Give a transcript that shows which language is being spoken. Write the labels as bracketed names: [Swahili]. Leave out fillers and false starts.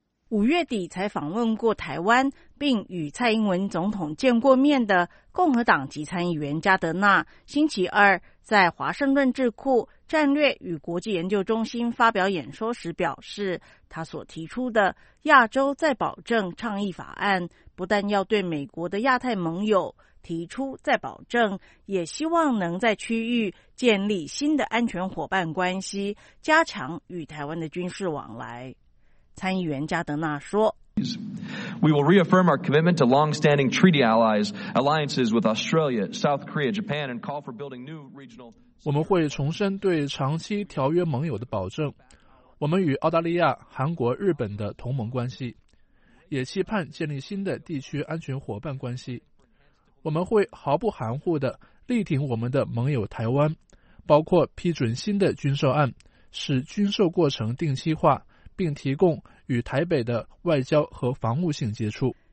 [Chinese] 5月底才访问过台湾并与蔡英文总统见过面的共和党籍参议员加德纳，星期二在华盛顿智库战略与国际研究中心发表演说时表示，他所提出的亚洲再保证倡议法案不但要对美国的亚太盟友提出再保证，也希望能在区域建立新的安全伙伴关系，加强与台湾的军事往来。参议员加德纳说， [English] We will reaffirm our commitment to long-standing treaty allies, alliances with Australia, South Korea, Japan, and call for building new regional. [Chinese] 我们会重申对长期条约盟友的保证，我们与澳大利亚、韩国、日本的同盟关系，也期盼建立新的地区安全伙伴关系。我们会毫不含糊地力挺我们的盟友台湾，包括批准新的军售案，使军售过程定期化，并提供与台北的外交和防务性接触。